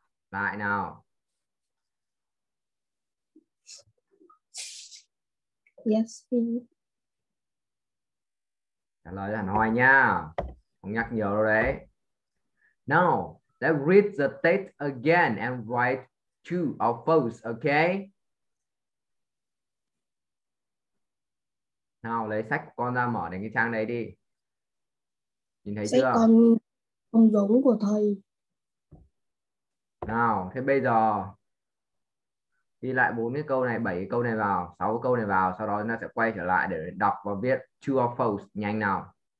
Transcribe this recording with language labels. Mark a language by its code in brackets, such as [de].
[vi] Lại nào. [en] Yes, he. [vi] Trả lời là nói nha. Không nhắc nhiều đâu đấy. [en] Now, let's read the text again and write true or false, okay? [vi] Nào, lấy sách con ra mở đến cái trang đấy đi. Nhìn thấy chưa? Con giống của thầy. Nào, thế bây giờ ghi lại 4 cái câu này, 7 cái câu này vào, 6 cái câu này vào, sau đó chúng ta sẽ quay trở lại để đọc và viết [en] true or false [vi] nhanh nào.